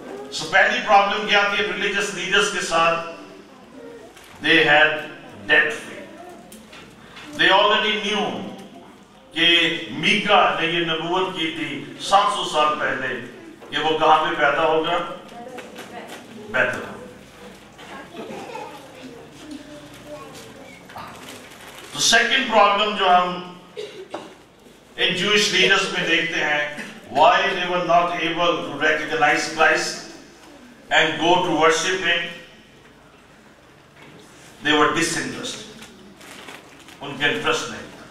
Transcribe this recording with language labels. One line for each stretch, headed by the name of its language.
Urdu: سو پہلی پرابلم کیا تھی ریلیجس لیڈرز کے ساتھ؟
English: They had dead faith. They already knew
Urdu: کہ میکا نے یہ نبوت کی تھی 700 سال پہلے کہ وہ کہاں پہ پیدا ہوگا؟ بیتلہم. تو سیکنڈ پرابلم جو ہم ان جوئش لیڈرز میں دیکھتے ہیں،
English: why they were not able to recognize Christ and go to worship him. They were disinterested.
Urdu: ان کے انٹرسٹ نہیں.